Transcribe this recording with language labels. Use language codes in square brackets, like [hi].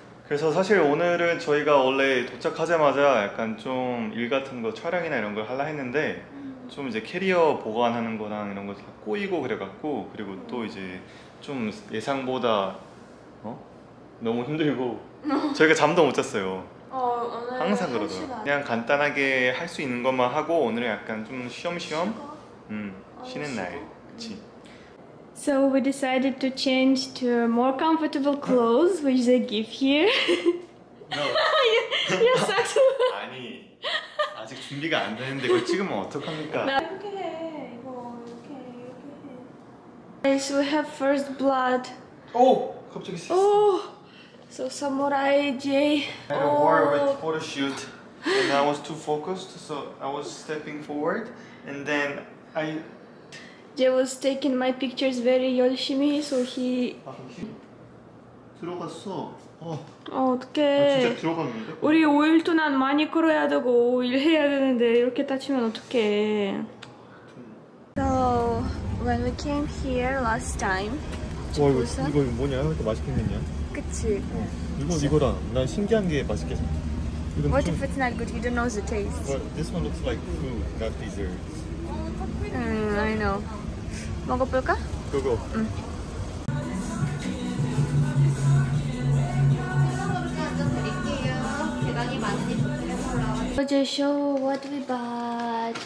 [ko] 그래서 사실 오늘은 저희가 원래 도착하자마자 약간 좀 일 같은 거 촬영이나 이런 걸 하려 했는데 좀 이제 캐리어 보관하는 거랑 이런 거 다 꼬이고 그래갖고 그리고 또 이제 좀 예상보다 어? 너무 힘들고 저희가 잠도 못 잤어요. 항상 그러더라고요. 그냥 간단하게 할 수 있는 것만 하고 오늘은 약간 좀 쉬엄쉬엄 쉬는 날. 그치? [en] So we decided to change to more comfortable clothes, which they give here. No. Your socks. [ko] 아니, 아직 준비가 안 됐는데 이걸 찍으면 어떡합니까? 이렇게 해, 이거 이렇게 해. [en] Guys, we have first blood. [ko] 오, 갑자기 씻어. [en] So Samurai Jay. I had a war with photo shoot, and I was too focused, so I was stepping forward, and then I. Jay was taking my pictures very [ko] 열심히, [en] so he. [ko] 아, 들어갔어. 어떡해. 진짜 들어갔는데? 우리 5일 동안 많이 걸어야 되고 일 해야 되는데 이렇게 다치면 어떡해. [en] So when we came here last time. [ko] 와 이거 Busan? 이거 뭐냐? 이렇게 맛있게 생겼냐? 그치. 이거 이거랑 난 신기한 게 맛있게 생. [en] What if it's not good? You don't know the taste. But this one looks like food, not dessert. I know. [ko] 먹어볼까? 그거. [en] 응. Let's just show what we bought.